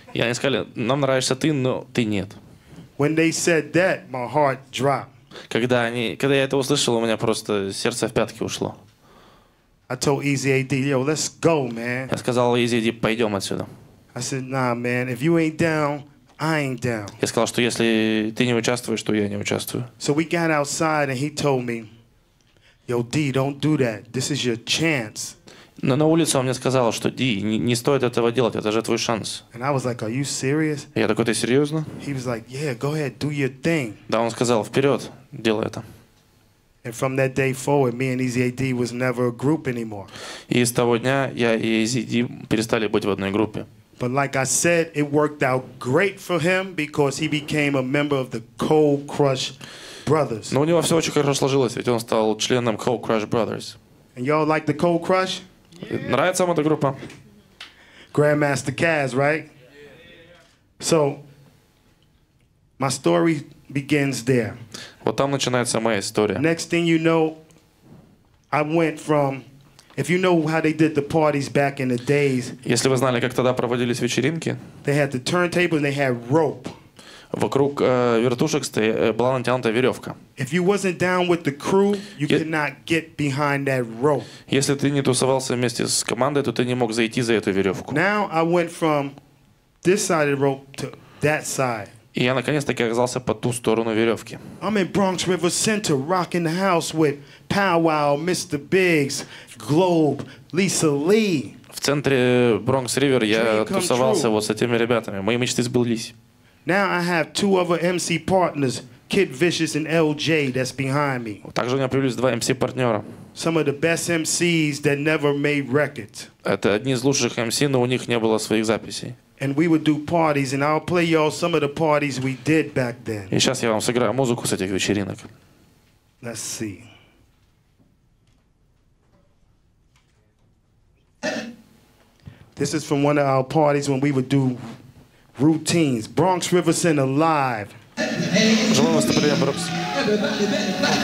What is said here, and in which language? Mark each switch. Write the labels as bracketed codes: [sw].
[ru] И они сказали, нам нравишься ты, но ты нет. [en] When they said that, my heart dropped. [ru] Когда я это услышал, у меня просто сердце в пятки ушло. [en] I told Easy AD, yo, let's go, man. [ru] Я сказал Easy AD, пойдем отсюда. [en] I said, nah, man, if you ain't down, I ain't down. [ru] Я сказал, что если ты не участвуешь, то я не участвую. [en] So we got outside and he told me, yo, D, don't do that. This is your chance. [ru] Но на улице он мне сказал, что D, не стоит этого делать, это же твой шанс. [en] And I was like, are you serious? [ru] Я такой, ты серьезно? [en] He was like, yeah, go ahead, do your thing. [ru] Да, он сказал, вперед, делай это. [en] And from that day forward, me and Easy AD was never a group anymore. [ru] И с того дня я и Easy AD перестали быть в одной группе. [en] But like I said, it worked out great for him because he became a member of the Cold Crush Brothers. [ru] Но у него все очень хорошо сложилось, ведь он стал членом Cold Crush Brothers. [en] And y'all like the Cold Crush? [ru] Нравится вам эта группа? [en] Grandmaster Caz, right? So, my story begins there. [ru] Вот там начинается моя история. [en] Next thing you know, I went from, if you know how they did the parties back in the days. [ru] Если вы знали, как тогда проводились вечеринки. [en] They had the turntable and they had rope. [ru] Вокруг вертушек была натянута веревка. [en] If you wasn't down with the crew, you could not get behind that rope. [ru] Если ты не тусовался вместе с командой, то ты не мог зайти за эту веревку. [en] Now I went from this side of the rope to that side. [ru] И я наконец-таки оказался по ту сторону веревки. [en] I'm in Bronx River Center, rocking the house with Powwow, Mr. Biggs, Globe, Lisa Lee. [ru] В центре Bronx River я тусовался вот с этими ребятами. Мои мечты сбылись. [en] Now I have two other MC partners, Kid Vicious and LJ, that's behind me. [ru] Также у меня появились два MC-партнера. [en] Some of the best MCs that never made records. [ru] Это одни из лучших MC, но у них не было своих записей. [en] And we would do parties, and I'll play y'all some of the parties we did back then. [ru] И сейчас я вам сыграю музыку с этих вечеринок. [en] Let's see. This is from one of our parties when we would do routines. Bronx River Center live. [ru] Желаю вас добрый день, Брокс.